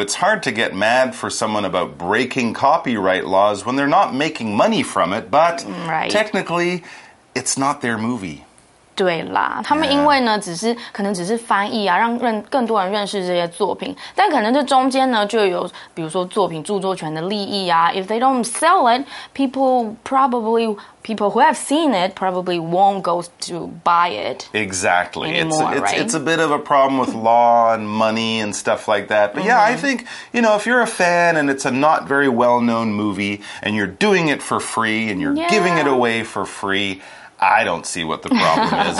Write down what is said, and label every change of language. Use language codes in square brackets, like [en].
[en] It's hard to get mad for someone about breaking copyright laws when they're not making money from it, but technically, it's not their movie. [zh] 对啦，他们因为呢，只是可能只是翻译啊，让更多人认识这些作品，但可能这中间呢，就有比如说作品著作权的利益啊。 [en] If they don't sell it, people who have seen it probably won't go to buy it. Exactly. Anymore, it's a bit of a problem with law and money and stuff like that. But yeah, I think, you know, if you're a fan and it's a not very well-known movie and you're doing it for free and you're giving it away for free, I don't see what the problem is.